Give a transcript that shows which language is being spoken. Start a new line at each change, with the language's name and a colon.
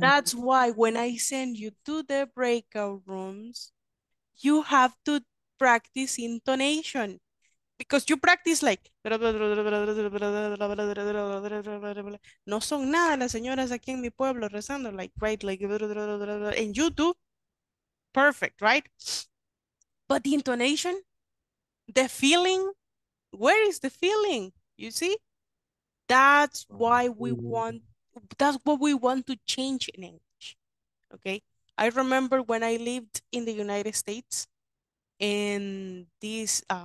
English: That's why when I send you to the breakout rooms, you have to practice intonation. Because you practice like...
Spanish: No son nada las señoras aquí en mi pueblo rezando.
English: Like, right? Like... And you do perfect, right? But the intonation, the feeling, where is the feeling? You see? That's why we want... That's what we want to change in English. Okay? I remember when I lived in the United States and this...